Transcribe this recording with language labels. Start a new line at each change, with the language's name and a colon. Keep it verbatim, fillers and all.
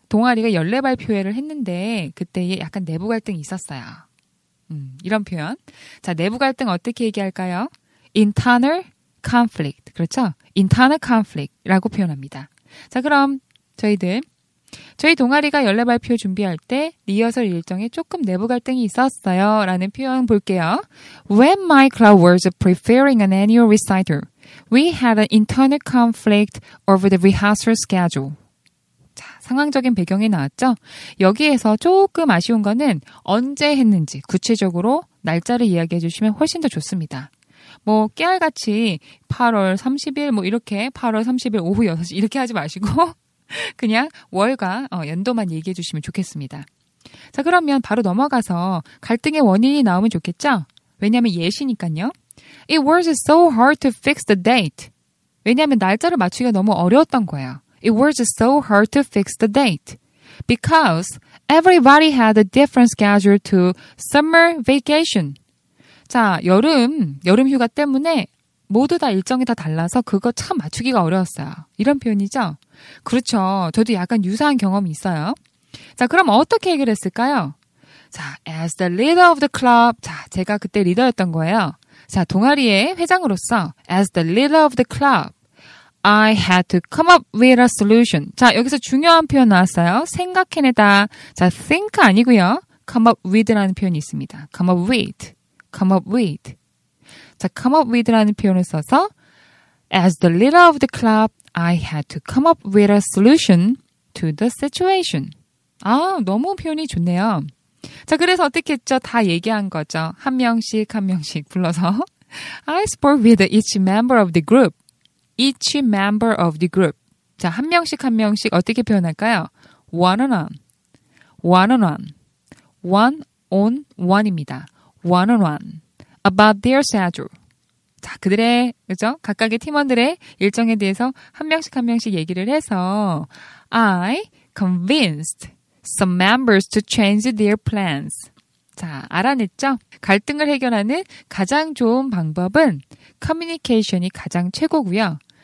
Korean: 동아리가 연례 발표회를 했는데, 그때에 약간 내부 갈등이 있었어요. 음, 이런 표현. 자, 내부 갈등 어떻게 얘기할까요?
English: internal conflict.
Korean: 그렇죠?
English: internal conflict
Korean: 라고 표현합니다. 자, 그럼 저희들. 저희 동아리가 연례 발표 준비할 때 리허설 일정에 조금 내부 갈등이 있었어요. 라는 표현 볼게요.
English: When my club was preparing an annual recital, we had an internal conflict over the rehearsal schedule.
Korean: 자, 상황적인 배경이 나왔죠? 여기에서 조금 아쉬운 거는 언제 했는지 구체적으로 날짜를 이야기해 주시면 훨씬 더 좋습니다. 뭐 깨알같이 팔월 삼십일 뭐 이렇게 팔월 삼십일 오후 여섯시 이렇게 하지 마시고 그냥 월과 어, 연도만 얘기해 주시면 좋겠습니다. 자, 그러면 바로 넘어가서 갈등의 원인이 나오면 좋겠죠? 왜냐하면 예시니까요.
English: It was so hard to fix the date.
Korean: 왜냐하면 날짜를 맞추기가 너무 어려웠던 거예요.
English: It was so hard to fix the date. Because everybody had a different schedule to summer vacation.
Korean: 자, 여름, 여름 휴가 때문에 모두 다 일정이 다 달라서 그거 참 맞추기가 어려웠어요. 이런 표현이죠? 그렇죠. 저도 약간 유사한 경험이 있어요. 자, 그럼 어떻게 해결했을까요?
English: 자, as the leader of the club.
Korean: 자, 제가 그때 리더였던 거예요. 자, 동아리의 회장으로서
English: as the leader of the club, I had to come up with a solution.
Korean: 자, 여기서 중요한 표현 나왔어요. 생각해내다. 자, think 아니고요. come up with라는 표현이 있습니다.
English: come up with, come up with. 자, come up with라는 표현을 써서 As the leader of the club, I had to come up with a solution to the situation.
Korean: 아, 너무 표현이 좋네요. 자, 그래서 어떻게 했죠? 다 얘기한 거죠. 한 명씩 한 명씩 불러서
English: I spoke with each member of the group. Each member of the group.
Korean: 자, 한 명씩 한 명씩 어떻게 표현할까요?
English: One on one. One on one. One on one입니다. One on one. About their schedule.
Korean: 자, 그들의, 그죠? 각각의 팀원들의 일정에 대해서 한 명씩 한 명씩 얘기를 해서
English: I convinced some members to change their plans.
Korean: 자, 알아냈죠? 갈등을 해결하는 가장 좋은 방법은 커뮤니케이션이 가장 최고고요.